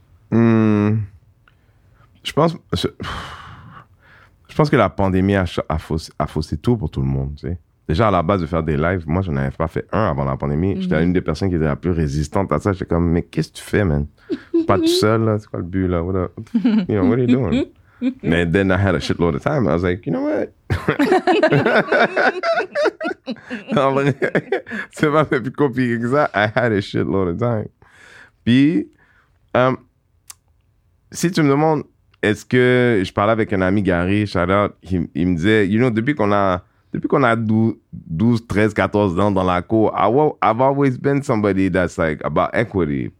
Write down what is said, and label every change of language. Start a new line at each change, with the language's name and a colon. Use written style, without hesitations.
French: Je pense que la pandémie a faussé tout pour tout le monde, tu sais. Déjà, à la base de faire des lives, moi, je n'en avais pas fait un avant la pandémie. Mm-hmm. J'étais une des personnes qui était la plus résistante à ça. J'étais comme, mais qu'est-ce que tu fais, man? Pas tout seul, là? C'est quoi le but, là?
English: What are you doing?
French: Mais
English: then I had a shitload of time. I was like, you know what?
French: En vrai, c'est pas plus compliqué que ça.
English: I had a shitload of time.
French: Puis, si tu me demandes, est-ce que je parlais avec un ami Gary, shout out, il me disait, you know, depuis qu'on a 12, 13, 14 ans dans la cour,
English: I've always been somebody that's like about equity.